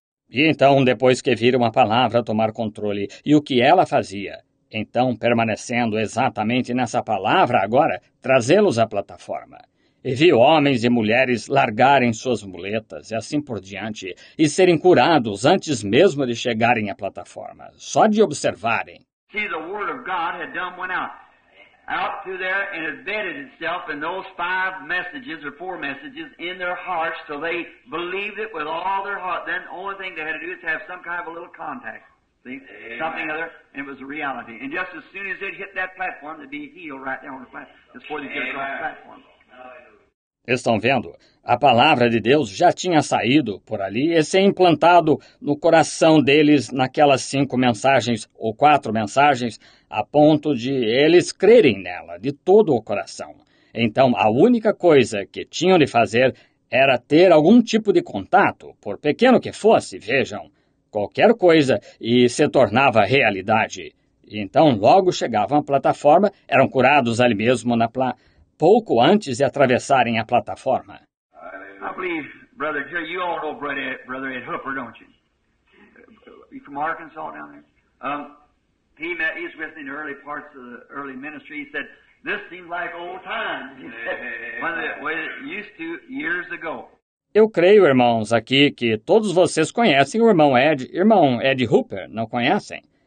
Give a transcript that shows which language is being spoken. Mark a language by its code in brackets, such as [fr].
[pt] E então, depois que viram a palavra tomar controle e o que ela fazia, então, permanecendo exatamente nessa palavra agora, trazê-los à plataforma. E viu homens e mulheres largarem suas muletas e assim por diante, e serem curados antes mesmo de chegarem à plataforma, só de observarem. [en] See, the word of God had done went out through there and embedded itself in those five messages or four messages in their hearts till they believed it with all their heart. Then the only thing they had to do is have some kind of a little contact. See? Something other, and it was a reality. And just as soon as it hit that platform, they'd be healed right there on the platform, before they get across the platform. [pt] Estão vendo? A palavra de Deus já tinha saído por ali e se implantado no coração deles naquelas cinco mensagens ou quatro mensagens, a ponto de eles crerem nela de todo o coração. Então, a única coisa que tinham de fazer era ter algum tipo de contato, por pequeno que fosse, vejam, qualquer coisa, e se tornava realidade. Então, logo chegavam à plataforma, eram curados ali mesmo na pouco antes de atravessarem a plataforma. [en] I believe, Brother Jerry, you all know Brother Ed Hooper, don't you? You from Arkansas down there? He's with me in the early parts of the early ministry. He said, this seems like old times. He said, when it used to years ago. [pt] Eu creio, irmãos, aqui que todos vocês conhecem o irmão Ed Hooper, não conhecem?